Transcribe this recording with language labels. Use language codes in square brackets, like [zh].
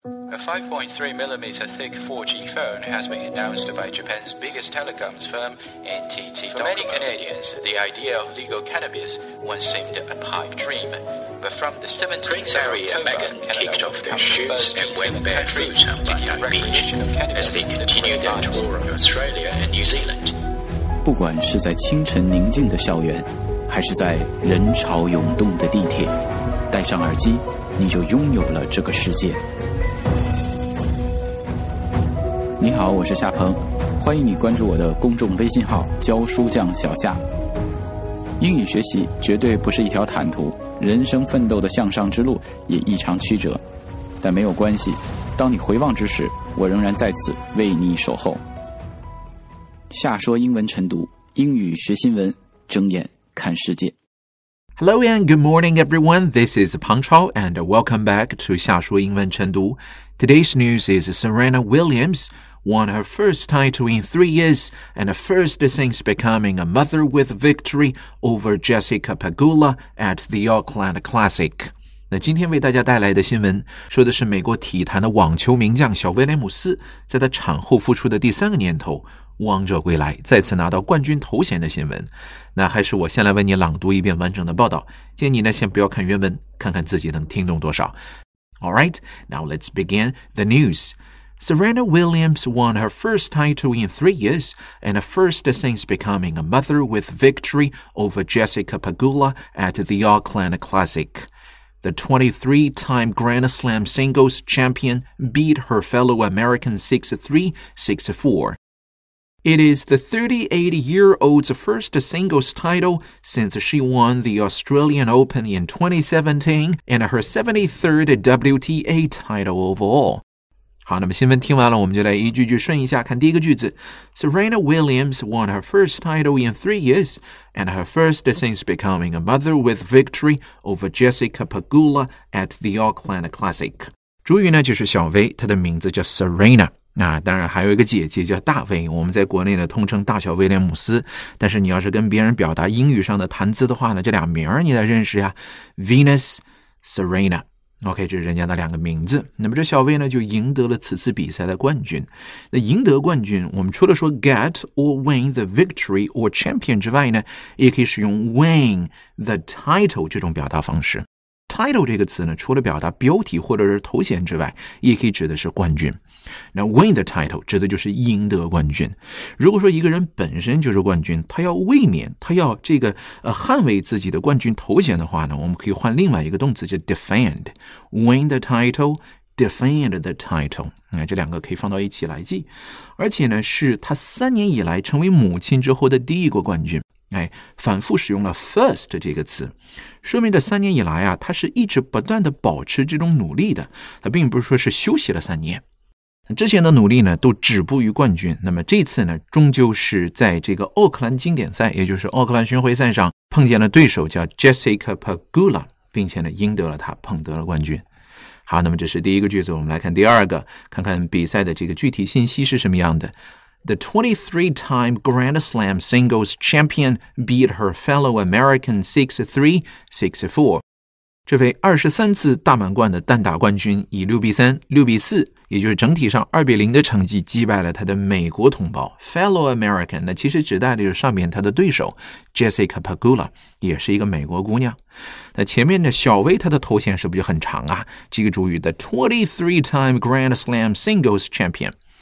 [en] A 5.3 millimeter thick 4G phone has been announced by Japan's biggest telecoms firm, NTT Docomo. For many Canadians, the idea of legal cannabis once seemed a pipe dream. But from the 17th of October, Megan kicked off their shoes and went barefoot on the beach as they continued their tour of Australia and New Zealand. [zh] 不管是在清晨宁静的校园，还是在人潮涌动的地铁，戴上耳机，你就拥有了这个世界。你好，我是夏鹏，欢迎你关注我的公众微信号教书匠小夏。英语学习绝对不是一条坦途，人生奋斗的向上之路也异常曲折，但没有关系，当你回望之时，我仍然在此为你守候。夏说英文晨读，英语学新闻，睁眼看世界。 [en] Hello and good morning everyone, this is Peng Chao and welcome back to 夏说英文晨读。 Today's news is Serena Williams won her first title in 3 years and first since becoming a mother with victory over Jessica Pegula at the Auckland Classic. [zh] 那今天为大家带来的新闻说的是美国体坛的网球名将小威廉姆斯在她产后复出的第三个年头王者归来，再次拿到冠军头衔的新闻。那还是我先来为你朗读一遍完整的报道，建议你呢先不要看原文，看看自己能听懂多少。 [en] Alright, now let's begin the news. Serena Williams won her first title in 3 years and first since becoming a mother with victory over Jessica Pegula at the Auckland Classic. The 23-time Grand Slam singles champion beat her fellow American 6-3, 6-4. It is the 38-year-old's first singles title since she won the Australian Open in 2017 and her 73rd WTA title overall. [zh] 好，那么新闻听完了，我们就来一句句顺一下看第一个句子。 [en] Serena Williams won her first title in 3 years and her first since becoming a mother with victory over Jessica Pegula at the Auckland Classic. [zh] 主语呢就是小薇，她的名字叫 Serena。那当然还有一个姐姐叫大威，我们在国内呢通称大小威廉姆斯，但是你要是跟别人表达英语上的谈资的话呢，这俩名儿你得认识呀， Venus Serena。 OK， 这是人家的两个名字。那么这小威呢就赢得了此次比赛的冠军。那赢得冠军，我们除了说 [en] get or win the victory or champion [zh] 之外呢，也可以使用 [en] win the title [zh] 这种表达方式。 title 这个词呢，除了表达标题或者是头衔之外，也可以指的是冠军。那 [en] win the title [zh] 指的就是赢得冠军。如果说一个人本身就是冠军，他要卫冕，他要这个捍卫自己的冠军头衔的话呢，我们可以换另外一个动词叫 defend。 [en] win the title, defend the title、 [zh] 这两个可以放到一起来记。而且呢是他三年以来成为母亲之后的第一个冠军，反复使用了 first 这个词，说明这三年以来啊，他是一直不断的保持这种努力的，他并不是说是休息了三年，之前的努力呢都止步于冠军。那么这次呢终究是在这个奥克兰经典赛，也就是奥克兰巡回赛上碰见了对手叫 [en] Jessica Pegula， [zh] 并且呢赢得了他，捧得了冠军。好，那么这是第一个句子，我们来看第二个，看看比赛的这个具体信息是什么样的。 [en] The 23-time Grand Slam singles champion beat her fellow American 6-3, 6-4. [zh] 这位23次大满贯的单打冠军以6-3、6-4,也就是整体上2-0的成绩击败了他的美国同胞 [en] fellow American， [zh] 那其实指代的就是上面他的对手 Jessica Pegula， 也是一个美国姑娘。那前面的小薇他的头衔是不是就很长啊，这个主语的 [en] 23-time Grand Slam Singles Champion。